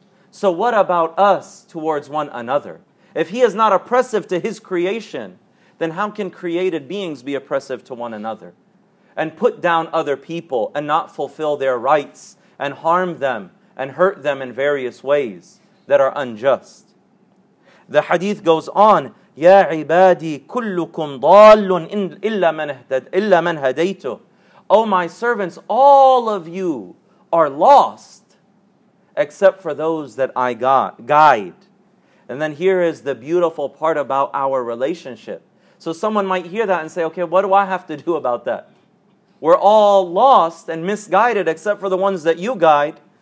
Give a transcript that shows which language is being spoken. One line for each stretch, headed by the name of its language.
English: So what about us towards one another? If He is not oppressive to His creation, then how can created beings be oppressive to one another and put down other people and not fulfill their rights and harm them and hurt them in various ways that are unjust? The hadith goes on,
Arabic: يَا عِبَادِي كُلُّكُمْ ضَالٌ إِلَّا مَنْ هَدَيْتُ.
English: Oh my servants, all of you are lost except for those that I guide. And then here is the beautiful part about our relationship. So someone might hear that and say, okay, what do I have to do about that? We're all lost and misguided except for the ones that you guide.